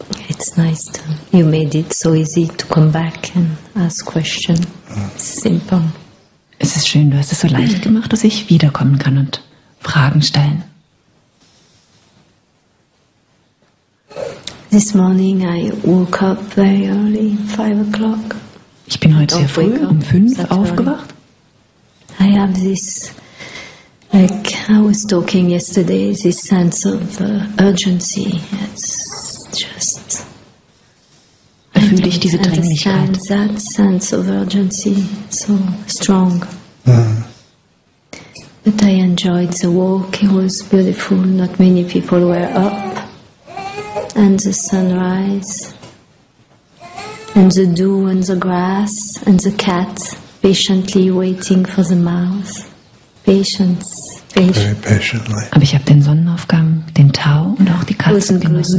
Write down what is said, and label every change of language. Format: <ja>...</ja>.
<en>It's nice to, you made it so easy to come back and ask questions. Simple.</en> <de>Es ist schön, du hast es so leicht gemacht, dass ich wiederkommen kann und Fragen stellen.</de> <en>This morning I woke up very early, 5 o'clock.</en> <de>Ich bin heute sehr früh um 5 aufgewacht.</de> <en>I have this, like I was talking yesterday, this sense of urgency. It's just.</en> <de>Fühle ich diese Dringlichkeit?</de> <en>That sense of urgency so strong. But I enjoyed the walk. It was beautiful. Not many people were up. And the sunrise, and the dew on the grass, and the cat patiently waiting for the mouse. Patience. Very patiently.</en> <de>Aber ich habe den Sonnenaufgang, den Tau und auch die Katze genossen.</de>